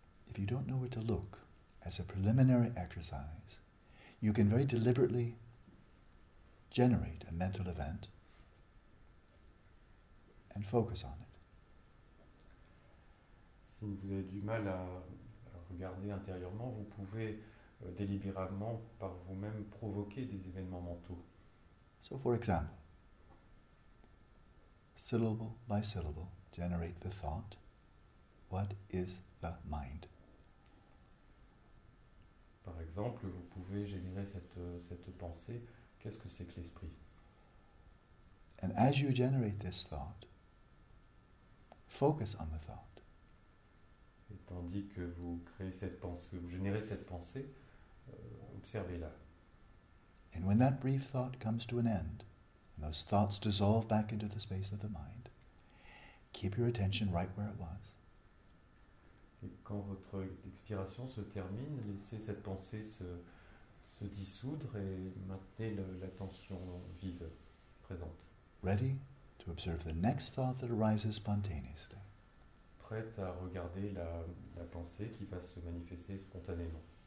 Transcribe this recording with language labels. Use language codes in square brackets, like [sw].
[en] If you don't know where to look, as a preliminary exercise, you can very deliberately generate a mental event and focus on it. [fr] Si vous avez du mal à regarder intérieurement, vous pouvez délibérément par vous-même provoquer des événements mentaux. [en] So for example, syllable by syllable, generate the thought, what is the mind? [fr] Par exemple, vous pouvez générer cette pensée, qu'est-ce que c'est que l'esprit? [en] And as you generate this thought, focus on the thought. [fr] Et tandis que vous créez cette pensée, que vous générez cette pensée, observez-la. [en] And when that brief thought comes to an end, and those thoughts dissolve back into the space of the mind, keep your attention right where it was. [fr] Et quand votre expiration se termine, laissez cette pensée se dissoudre et maintenez l'attention vive, présente. [en] Ready? To observe the next thought that arises spontaneously. [fr] Prête à regarder la pensée qui va se manifester spontanément.